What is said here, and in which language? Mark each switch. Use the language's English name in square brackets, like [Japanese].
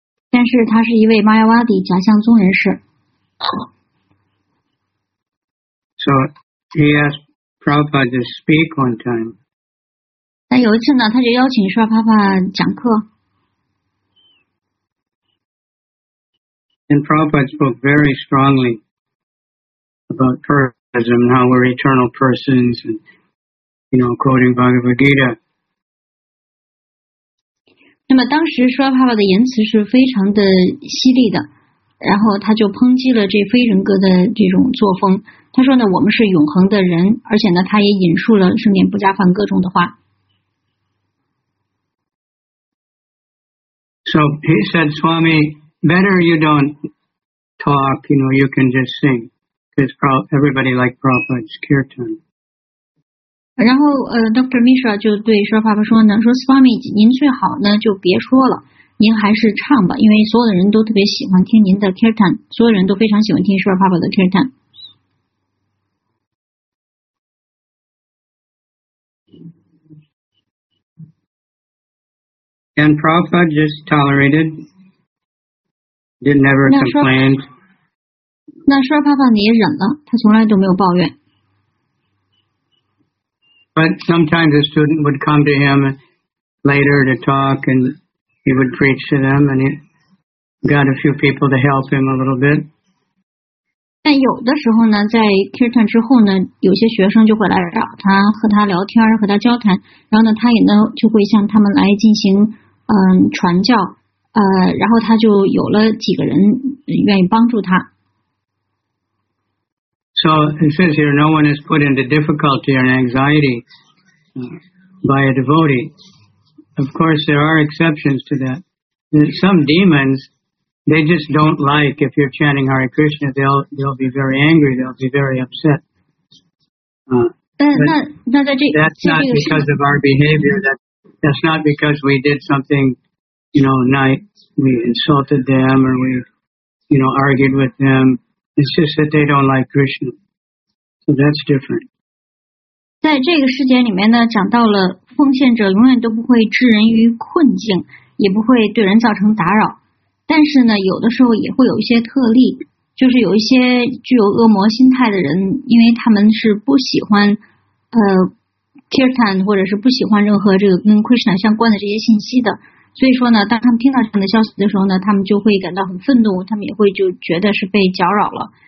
[Chinese] 但是他是一位 Mayavadi 假象宗人士。 [English] So he asked Prabhupada to speak one time. [Chinese] 那有一次呢，他就邀请舒尔帕帕讲课。 [English] And Prabhupada spoke very strongly about Purism, how we're eternal persons, and you know, quoting Bhagavad Gita. [Chinese] 那么当时舒尔帕帕的言辞是非常的犀利的，然后他就抨击了这非人格的这种作风。他说呢，我们是永恒的人，而且呢，他也引述了圣典不加梵歌中的话。 [English] So he said, Swami, better you don't talk, you know, you can just sing. Because everybody liked Prabhupada's kirtan. [Chinese] 然后Dr. Mishra 就对舒尔帕帕说呢，说 Swami, 您最好呢就别说了，您还是唱吧，因为所有的人都特别喜欢听您的 kirtan, 所有人都非常喜欢听舒尔帕帕的 kirtan. [English] And Prabhupada just tolerated, did never complain. [Chinese] 那舒尔帕帕也忍了，他从来都没有抱怨。 [English] But sometimes a student would come to him later to talk, and he would preach to them, and he got a few people to help him a little bit. [Chinese] 但有的时候呢，在 Kirtan 之后呢，有些学生就会来找他，和他聊天，和他交谈，然后呢，他也呢就会向他们来进行。传教，然后他就有了几个人愿意帮助他。 [English] So it says here, no one is put into difficulty or anxiety by a devotee. Of course, there are exceptions to that. Some demons, they just don't like if you're chanting Hare Krishna. They'll be very angry. They'll be very upset. That's not because of our behavior. That's not because we did something, you know, we insulted them or we, you know, argued with them. It's just that they don't like Krishna. So that's different. [Chinese] 在这个世界里面呢，讲到了奉献者永远都不会置人于困境，也不会对人造成打扰。但是呢，有的时候也会有一些特例，就是有一些具有恶魔心态的人，因为他们是不喜欢，Kirtan 或者是不喜欢任何这个跟 Krishna 相关的这些信息的，所以说呢，当他们听到这样的消息的时候呢，他们就会感到很愤怒，他们也会就觉得是被搅扰了。